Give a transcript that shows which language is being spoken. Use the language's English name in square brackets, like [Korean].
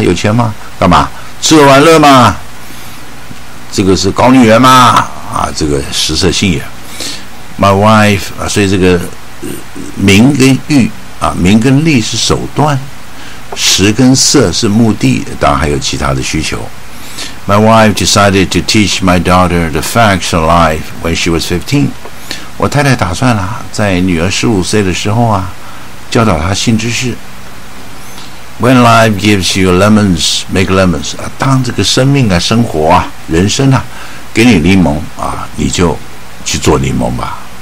[Chinese] 有钱吗？干嘛？吃喝玩乐吗？这个是搞女人吗？啊，这个食色性也。 [English] My wife [Chinese] 啊，所以这个名跟欲啊，名跟利是手段，食跟色是目的，当然还有其他的需求。 [English] My wife decided to teach my daughter the facts of life when she was 15. [Chinese] 我太太打算了，在女儿15岁的时候啊，教导她性知识。 [English] When life gives you lemons, make lemons. [Chinese] 啊，当这个生命啊，生活啊，人生啊，给你柠檬啊，你就去做柠檬吧。